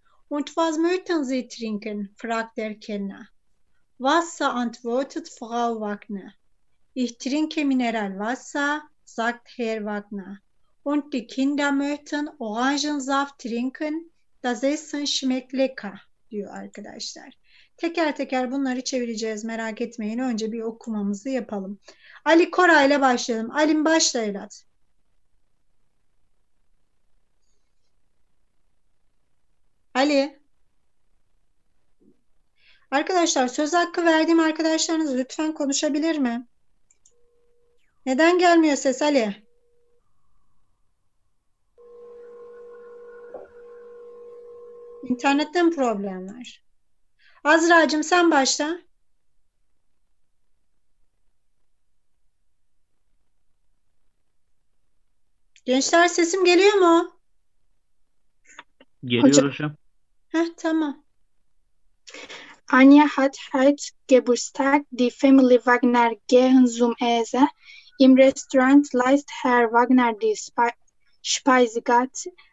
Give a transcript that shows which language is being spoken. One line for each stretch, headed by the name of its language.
German: Und was möchten Sie trinken? Fragt der Kellner. Wasser, antwortet Frau Wagner. Ich trinke Mineralwasser, sagt Herr Wagner. Und die Kinder möchten Orangensaft trinken. Das Essen schmeckt lecker,
Turkish: diyor arkadaşlar. Teker teker bunları çevireceğiz, merak etmeyin. Önce bir okumamızı yapalım. Ali Koray ile başlayalım. Alim, başla evlat. Ali. Arkadaşlar, söz hakkı verdiğim arkadaşlarınız lütfen konuşabilir mi? Neden gelmiyor ses Ali? İnternette mi problem var? Azra'cığım sen başla. Gençler, sesim geliyor mu? Geliyor Hocam. hocam. Heh, tamam.
German: Anja hat heute Geburtstag. Die Familie Wagner gehen zum Essen. Im Restaurant liest Herr Wagner die Speisekarte.